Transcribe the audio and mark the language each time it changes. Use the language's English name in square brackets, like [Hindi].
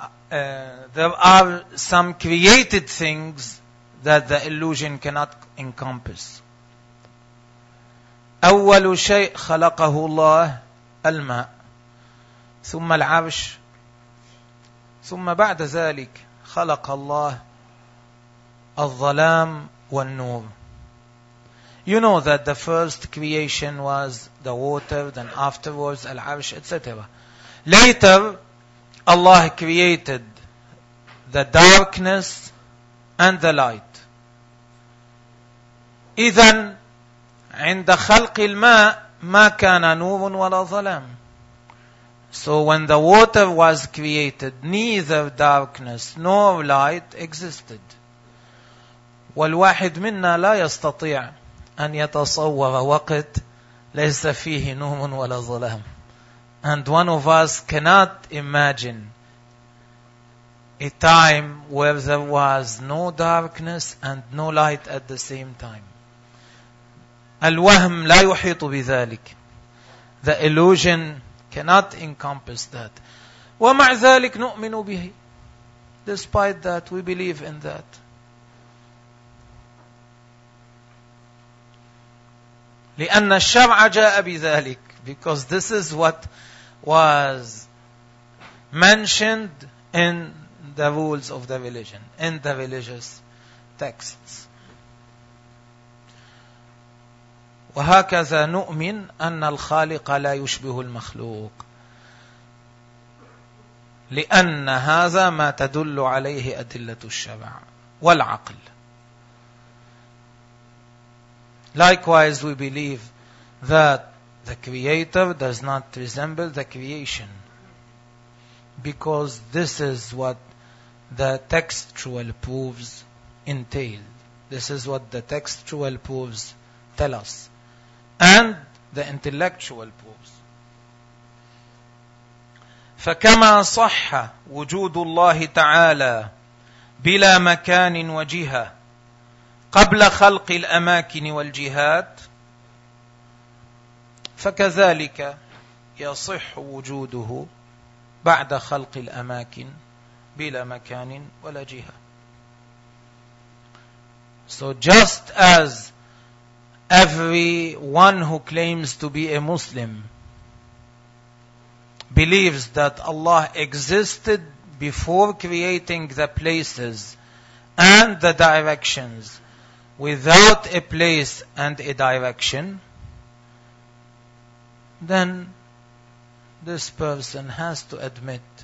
[English] There are some created things that the illusion cannot encompass. [Arabic] أول شيء خلقه الله الماء، ثم العرش، ثم بعد ذلك خلق الله الظلام والنور. [English] You know that the first creation was the water, then afterwards al-arsh, etc. Later, Allah created the darkness and the light. [Arabic] إذن عند خلق الماء ما كان نور ولا ظلام. [English] So when the water was created, neither darkness nor light existed. [Arabic] والواحد منا لا يستطيع أن يتصور وقت ليس فيه نوم ولا ظلام. [English] And one of us cannot imagine a time where there was no darkness and no light at the same time. [Arabic] الوهم لا يحيط بذلك. [English] The illusion cannot encompass that. [Arabic] ومع ذلك نؤمن به. [English] Despite that, we believe in that. [Arabic] لأن الشرع جاء بذلك. [English] Because this is what was mentioned in the rules of the religion, in the religious texts. [Arabic] وهكذا نؤمن أن الخالق لا يشبه المخلوق لأن هذا ما تدل عليه أدلة الشرع والعقل. [English] Likewise, we believe that the Creator does not resemble the creation, because this is what the textual proofs entail. This is what the textual proofs tell us, and the intellectual proofs. [Arabic] فكما صح وجود الله تعالى بلا مكان وجهة قبل خلق الأماكن والجهات، فكذلك يصح وجوده بعد خلق الأماكن بلا مكان ولا جهة. [English] So just as everyone who claims to be a Muslim believes that Allah existed before creating the places and the directions without a place and a direction, then this person has to admit